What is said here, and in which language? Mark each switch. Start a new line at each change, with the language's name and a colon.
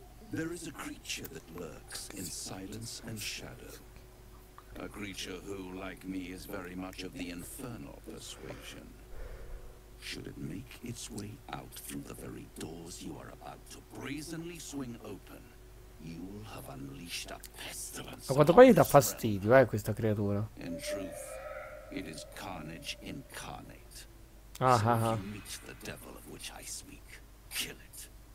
English: There is a creature that lurks in silence and shadow. A creature who, like me, is very much of the infernal persuasion. Should it make its way out through the very doors you are about to brazenly swing open, you will have unleashed a pestilence.
Italian: Ma quanto poi gli dà fastidio, questa creatura.
English: In truth, it is carnage incarnate. Ah, so ah, if you meet the devil of which I speak, kill it.